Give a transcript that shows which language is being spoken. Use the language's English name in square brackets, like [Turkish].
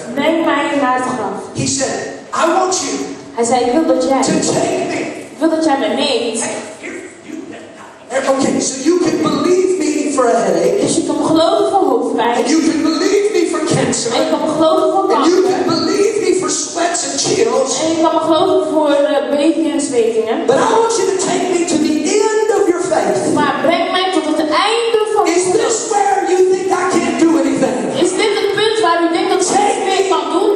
[Dutch] Neem mij naar het graf. [English] He said, I want you. [Dutch] Hij zei, ik wil dat jij. [English] To take me. [Dutch] Ik wil dat jij me neemt. [English] Okay, so you can believe me for a headache. [Dutch] Dus je kan me geloven voor hoofdpijn. [English] And you can believe me for cancer. [Dutch] En je kan me geloven voor kanker. [English] And you can believe me for sweats and chills. [Dutch] En je kan me geloven voor beving en zwevingen. [English] But I want you to take me to the end of your faith. [Dutch] Maar breng mij tot het einde van je geloof. [English] Is this where you think I can't do anything? [Dutch] Is dit het punt waar u denkt dat ik niets meer kan doen?